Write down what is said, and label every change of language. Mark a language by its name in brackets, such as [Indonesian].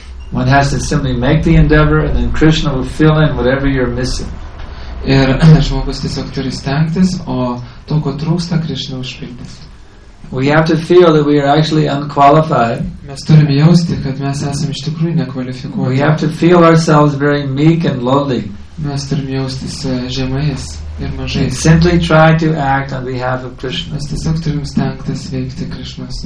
[English] One has to simply make the endeavor, and then Krishna will fill in whatever you're missing. [Lithuanian] Ir žmogus tiesiog turi stengtis, o to, ko trūksta, Krishna užpildys. [English] We have to feel that we are actually unqualified. [Lithuanian] Mes turime jausti, kad mes esame iš tikrųjų nekvalifikuoti. [English] We have to feel ourselves very meek and lowly. [Lithuanian] Mes turime jaustis žemais ir mažais. [English] And simply try to act on behalf of Krishna. [Lithuanian] Mes tiesiog turime stengtis veikti Krishnas.